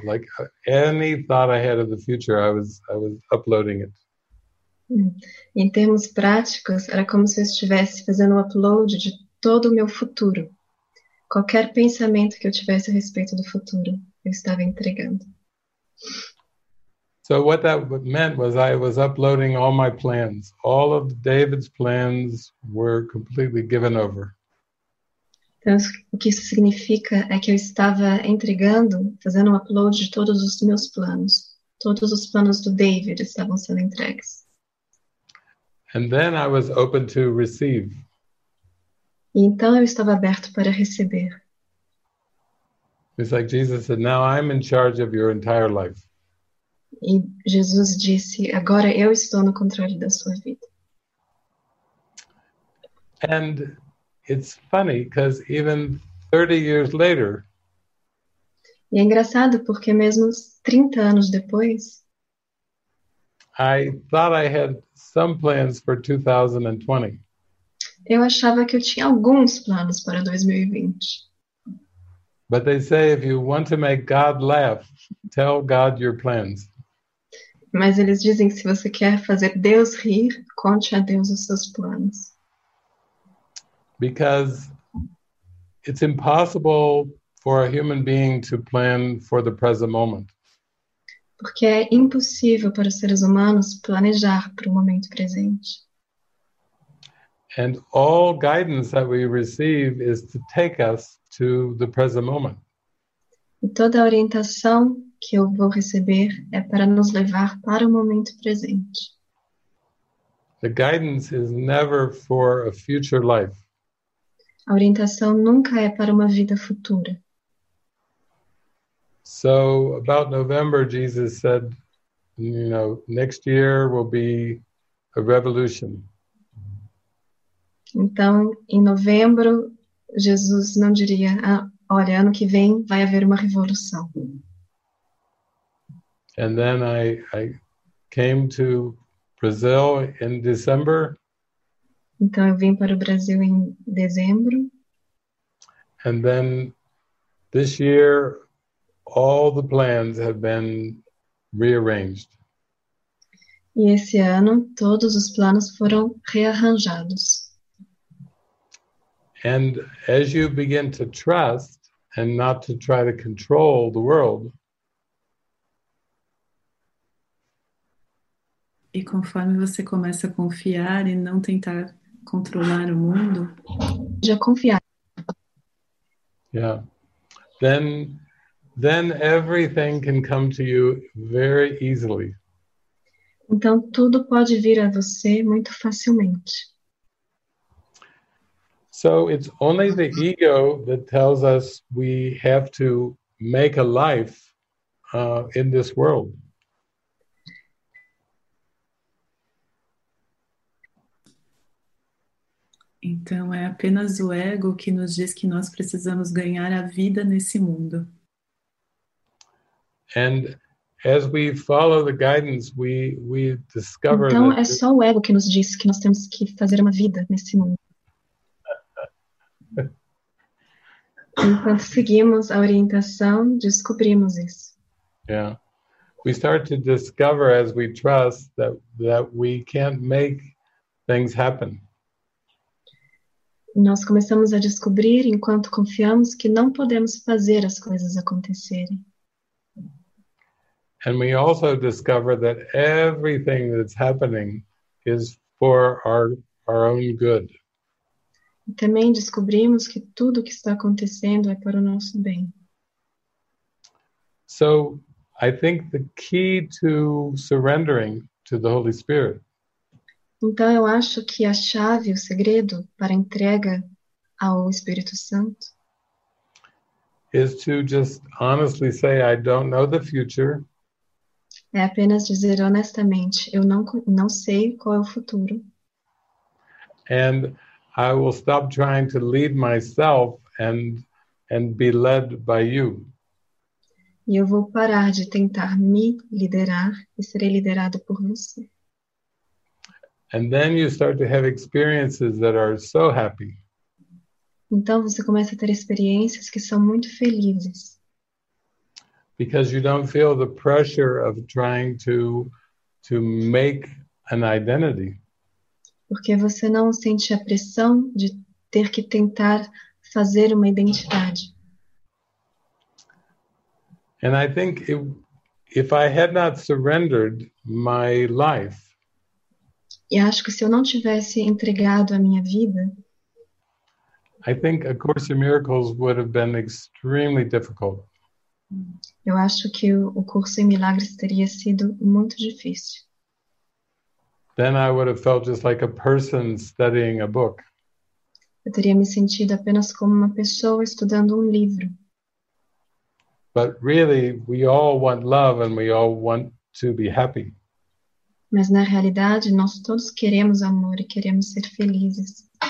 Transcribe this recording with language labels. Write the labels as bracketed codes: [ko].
[en] Like any thought I had of the future, I was uploading it. [pt] Em termos práticos, era como se eu estivesse fazendo um upload de todo o meu futuro. Qualquer pensamento que eu tivesse a respeito do futuro, eu estava entregando. [en] So what that meant was I was uploading all my plans. All of David's plans were completely given over. [pt] Então, o que isso significa é que eu estava entregando, fazendo um upload de todos os meus planos. Todos os planos do David estavam sendo entregues. [en] And then I was open to receive. [pt] E então eu estava aberto para receber. [en] It's like Jesus said, now I'm in charge of your entire life. [pt] E Jesus disse, agora eu estou no controle da sua vida. [en] And it's funny because even 30 years later. [pt] E é engraçado porque mesmo 30 anos depois, [en] I thought I had some plans for 2020. [pt] Eu achava que eu tinha alguns planos para 2020. [en] But they say if you want to make God laugh, tell God your plans. [pt] Mas eles dizem que se você quer fazer Deus rir, conte a Deus os seus planos. [en] Because it's impossible for a human being to plan for the present moment. [pt] Porque é impossível para os seres humanos planejar para o momento presente. [en] And all guidance that we receive is to take us to the present moment. [pt] E toda a orientação que eu vou receber é para nos levar para o momento presente. [en] The guidance is never for a future life. [pt] A orientação nunca é para uma vida futura. [en] So about November, Jesus said, you know, next year will be a revolution. [pt] Então, em novembro, Jesus não diria, ah, olha, ano que vem vai haver uma revolução. [en] And then I came to Brazil in December. [pt] Então, eu vim para o Brasil em dezembro. [en] And then this year, all the plans have been rearranged. [pt] E esse ano, todos os planos foram rearranjados. [en] And as you begin to trust and not to try to control the world. [pt] E conforme você começa a confiar e não tentar controlar o mundo. Já confiar. [en] Yeah. Then everything can come to you very easily. [pt] Então tudo pode vir a você muito facilmente. [en] So it's only the ego that tells us we have to make a life in this world. [pt] Então é apenas o ego que nos diz que nós precisamos ganhar a vida nesse mundo. [en] And as we follow the guidance, we discover [pt] então, [en] that. [pt] Então é só o ego que nos diz que nós temos que fazer uma vida nesse mundo. Enquanto seguimos a orientação, descobrimos isso. [en] Yeah. We start to discover as we trust that we can't make things happen. [pt] Nós começamos a descobrir enquanto confiamos que não podemos fazer as coisas acontecerem. [en] And we also discover that everything that's happening is for our own good. [pt] E também descobrimos que tudo o que está acontecendo é para o nosso bem. [en] So, I think the key to surrendering to the Holy Spirit. [pt] Então, eu acho que a chave, o segredo para a entrega ao Espírito Santo [en] is to just honestly say, I don't know the future. [pt] É apenas dizer honestamente, eu não sei qual é o futuro. [en] And I will stop trying to lead myself and be led by you. [pt] E eu vou parar de tentar me liderar e serei liderado por você. [en] And then you start to have experiences that are so happy. [pt] Então você começa a ter experiências que são muito felizes. [en] Because you don't feel the pressure of trying to make an identity. [pt] Porque você não sente a pressão de ter que tentar fazer uma identidade. [en] And I think if I had not surrendered my life, [pt] e acho que se eu não tivesse entregado a minha vida, [en] I think A Course in Miracles would have been extremely difficult. [pt] Eu acho que o curso em milagres teria sido muito difícil. [en] Then I would have felt just like a person studying a book. [pt] Eu teria me sentido apenas como uma pessoa estudando livro. [en] But really, we all want love and we all want to be happy. [pt] Mas na realidade, nós todos queremos amor e queremos ser felizes.